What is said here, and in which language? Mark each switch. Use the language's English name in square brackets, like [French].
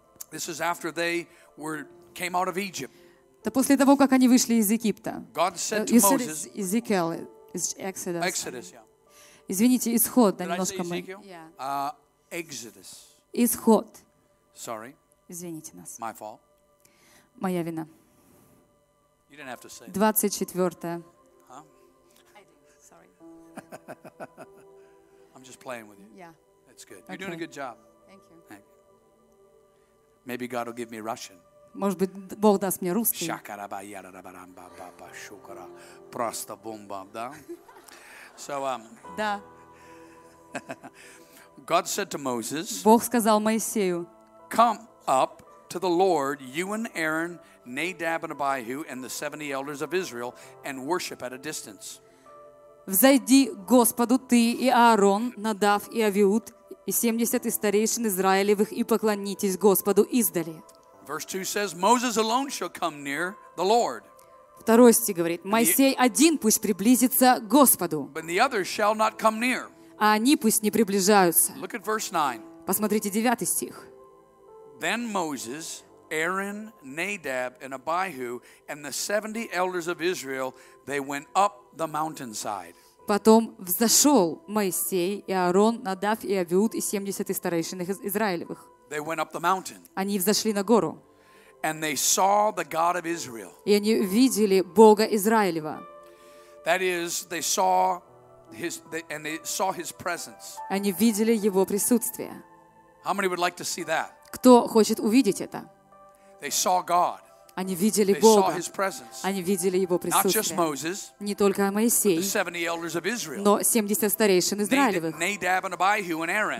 [English] This is after they were came out of Egypt. [Russian] Это после того, как они вышли из Египта. [English] God said to Moses. Ezekiel is Exodus. Exodus, yeah. [Russian] Извините, исход, да немножко мы. [English] Exodus. [Russian] Исход. [English] Sorry. [Russian] Извините нас. [English] My fault. [Russian] Моя вина. [English] You didn't have to say. 24. Huh? I do. Sorry. I'm just playing with you. Yeah. That's good. You're doing a good job. Thank you. Maybe God will give me Russian. [Russian] Может быть, Бог даст мне русский. Шакараба ярарабарамба папа шукара. Просто бомба, да? So, да. [English] God said to Moses. [Russian] Бог сказал Моисею. [English] Come up to the Lord, you and Aaron, Nadab and Abihu, and the 70 elders of Israel, and worship at a distance. [Russian] Взойди Господу ты и Аарон, Надав и Авиуд, и 70 старейшин Израилевых, и поклонитесь Господу издали. [English] Verse 2 says, Moses alone shall come near the Lord. [Russian] Второй стих говорит, Моисей один пусть приблизится к Господу. [English] But the others shall not come near. [Russian] А они пусть не приближаются. [English] Look at verse 9. [Russian] Посмотрите 9 стих. [English] Then Moses, Aaron, Nadab, and Abihu, and the 70 elders of Israel, they went up the mountainside. [Russian] Потом взошел Моисей и Аарон, Надав и Авиуд и 70 старейшин Израилевых. [English] They went up the mountain. [Russian] Они взошли на гору. [English] And they saw the God of Israel. [Russian] И они видели Бога Израилева. [English] That is, they saw his, and they saw his presence. [Russian] Они видели его присутствие. [English] How many would like to see that? [Russian] Кто хочет увидеть это? [English] They saw God. [Russian] Они видели [English] they [Russian] Бога. [English] Saw his presence. [Russian] Они видели его присутствие. [English] Not just Moses. [Russian] Не только Моисей. [English] But the 70 elders of Israel. [Russian] Но 70 старейшин Израилевых. [English] Nadab and Abihu and Aaron.